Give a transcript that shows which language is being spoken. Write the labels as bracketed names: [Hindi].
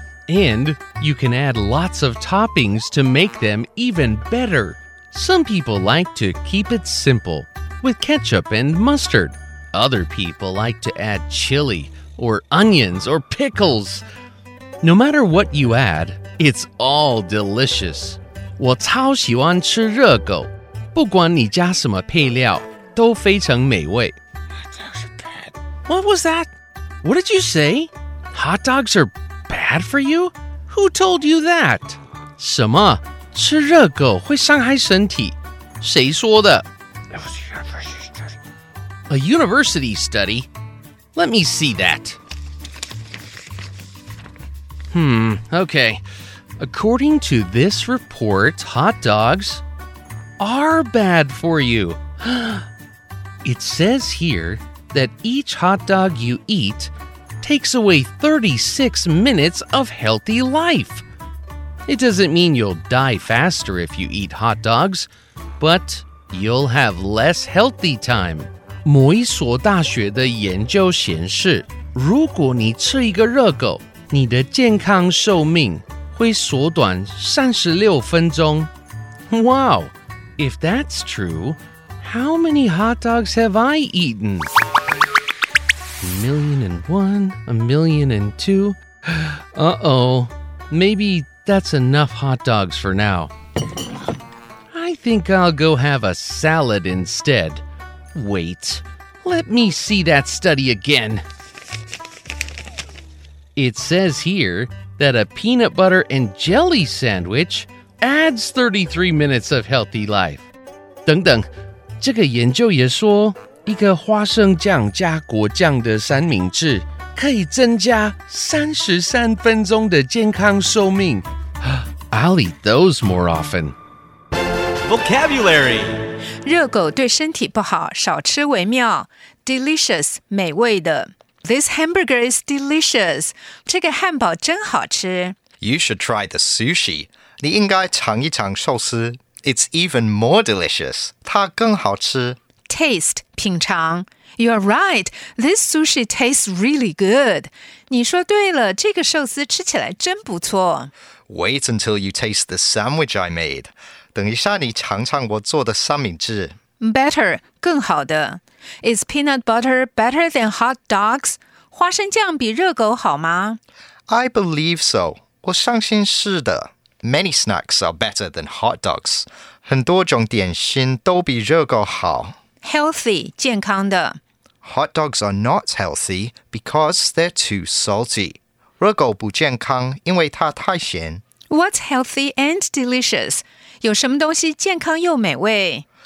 [English] And you can add lots of toppings to make them even better. Some people like to keep it simple, with ketchup and mustard. Other people like to add chili, or onions, or pickles. No matter what you add, it's all delicious. [Chinese] 我超喜欢吃热狗。不管你加什么配料都非常美味。 [English] That was bad. What was that? What did you say? Hot dogs are bad for you? Who told you that? [Chinese] 什么？吃热狗会伤害身体？谁说的？ [English] That was a university study. A university study? Let me see that. Okay. According to this report, hot dogs... are bad for you. It says here that each hot dog you eat takes away 36 minutes of healthy life. It doesn't mean you'll die faster if you eat hot dogs, but you'll have less healthy time. [Chinese] 某一所大学的研究显示，如果你吃一个热狗，你的健康寿命会缩短36分钟。 [English] Wow! If that's true, how many hot dogs have I eaten? 1,000,001, 1,000,002. Maybe that's enough hot dogs for now. I think I'll go have a salad instead. Wait, let me see that study again. It says here that a peanut butter and jelly sandwich adds 33 minutes of healthy life. [Chinese] 等等，这个研究也说，一个花生酱加果酱的三明治可以增加33分钟的健康寿命。 [English] I'll eat those more often. Vocabulary. [Chinese] 热狗对身体不好，少吃为妙。 [English] Delicious, 美味的。This hamburger is delicious. [Chinese] 这个汉堡真好吃。 [English] You should try the sushi. [Chinese] 你应该尝一尝寿司。 [English] It's even more delicious. [Chinese] 它更好吃。 [English] Taste, 品尝。You're right. This sushi tastes really good. [Chinese] 你说对了，这个寿司吃起来真不错。 [English] Wait until you taste the sandwich I made. [Chinese] 等一下你尝尝我做的三明治。 [English] Better, 更好的。Is peanut butter better than hot dogs? [Chinese] 花生酱比热狗好吗？ [English] I believe so. [Chinese] 我相信是的。 [English] Many snacks are better than hot dogs. [Chinese] 很多种点心都比热狗好。 [English] Healthy, 健康的。 Hot dogs are not healthy because they're too salty. [Chinese] 热狗不健康因为它太咸。 [English] What's healthy and delicious? [Chinese] 有什么东西健康又美味？